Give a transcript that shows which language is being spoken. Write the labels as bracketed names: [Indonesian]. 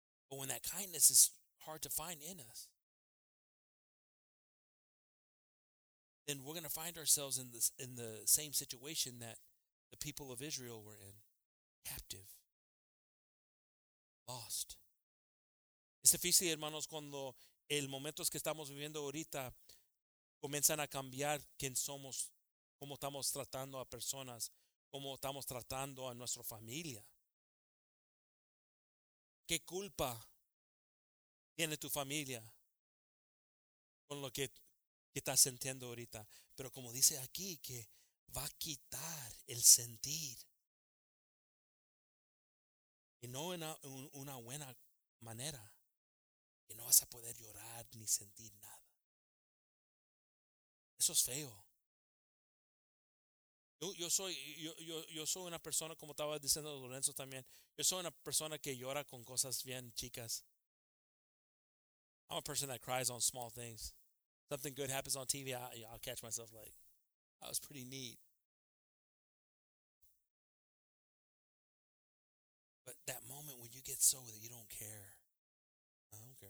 [English] But when that kindness is hard to find in us, then we're going to find ourselves in the same situation that the people of Israel were in. Captive. Lost. [Spanish] Es difícil, hermanos, cuando el momento que estamos viviendo ahorita comienzan a cambiar quién somos, cómo estamos tratando a personas, cómo estamos tratando a nuestra familia. ¿Qué culpa tiene tu familia con lo que estás sintiendo ahorita? Pero como dice aquí, que va a quitar el sentir. Y no en una buena manera. Que no vas a poder llorar ni sentir nada. Eso es feo. Yo soy una persona, como estaba diciendo Lorenzo también, yo soy una persona que llora con cosas bien chicas. [English] I'm a person that cries on small things. Something good happens on TV, I'll catch myself like, that was pretty neat. But that moment when you get so that you don't care. I don't care.